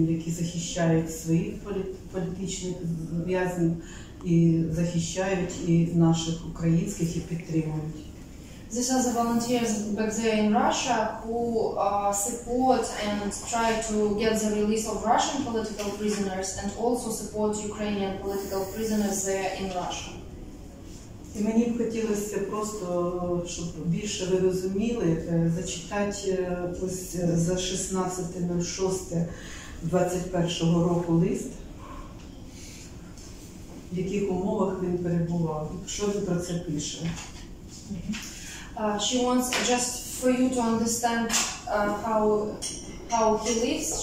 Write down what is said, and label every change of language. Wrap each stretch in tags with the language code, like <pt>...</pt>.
<ru>защищает свои политичные связи и защищает и наших украинских и патриотов.</ru> <en>This is a volunteers back there in Russia who support and try to get the release of Russian political prisoners and also support Ukrainian political prisoners there in Russia.</en> <uk>І мені б хотілося просто, щоб більше ви розуміли, зачитати ось за 16.06.21 року лист, в яких умовах він перебував. Що він про це пише?</uk> <en>She wants just for you to understand how he lives.</en>